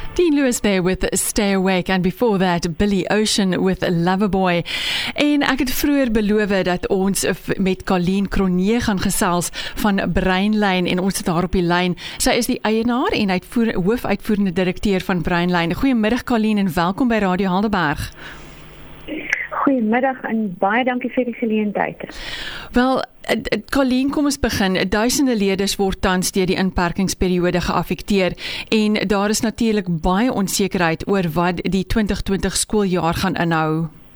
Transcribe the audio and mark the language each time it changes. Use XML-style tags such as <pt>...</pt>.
<en>Dean Lewis there with Stay Awake, and before that Billy Ocean with Loverboy.</en> <af>En ek het vroeger beloof dat ons met Colleen Cronier gaan gesels van Breinlyn, en ons het daar op die lyn. Sy is die eienaar en hoofuitvoerende direkteur van Breinlyn. Goeiemiddag Colleen en welkom by Radio Helderberg. Goeiemiddag en baie dankie vir die geleentheid. Wel, Colleen, kom ons begin. Duisende leders word tans deur die inperkingsperiode geaffekteer en daar is natuurlik baie onsekerheid oor wat die 2020 skooljaar gaan inhou.</af>